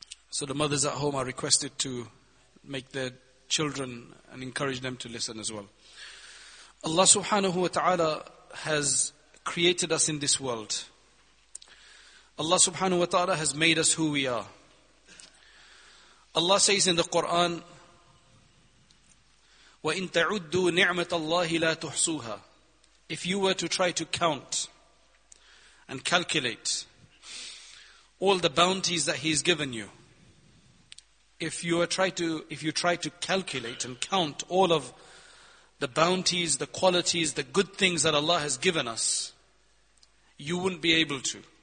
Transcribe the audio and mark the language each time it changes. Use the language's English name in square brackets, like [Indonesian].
[English] So the mothers at home are requested to make their children and encourage them to listen as well. Allah subhanahu wa ta'ala has created us in this world. Allah subhanahu wa ta'ala has made us who we are. Allah says in the Quran, [Arabic] وَإِن تَعُدُّوا نِعْمَةَ اللَّهِ لَا تُحْصُوهَا. [English] If you were to try to count and calculate all the bounties that He's given you, if you try to calculate and count all of the bounties, the qualities, the good things that Allah has given us, you wouldn't be able to.